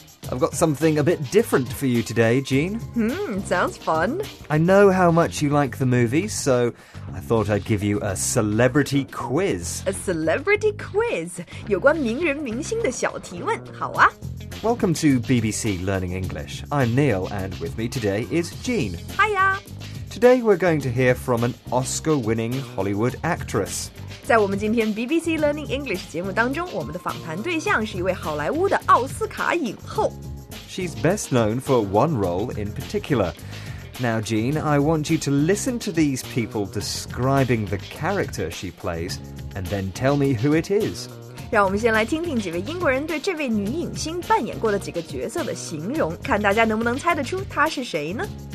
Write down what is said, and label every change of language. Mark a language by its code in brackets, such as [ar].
[en] I've got something a bit different for you today, Jean. Sounds fun. I know how much you like the movies, so I thought I'd give you a celebrity quiz. A celebrity quiz? [zh] 有关名人明星的小提问，好啊。 [en] Welcome to BBC Learning English. I'm Neil, and with me today is Jean. Hiya! Today we're going to hear from an Oscar-winning Hollywood actress. [zh] 在我们今天 BBC Learning English 节目当中，我们的访谈对象是一位好莱坞的奥斯卡影后。 [en] She's best known for one role in particular. Now, Jean, I want you to listen to these people describing the character she plays, and then tell me who it is. [zh] 让我们先来听听几位英国人对这位女影星扮演过的几个角色的形容，看大家能不能猜得出她是谁呢？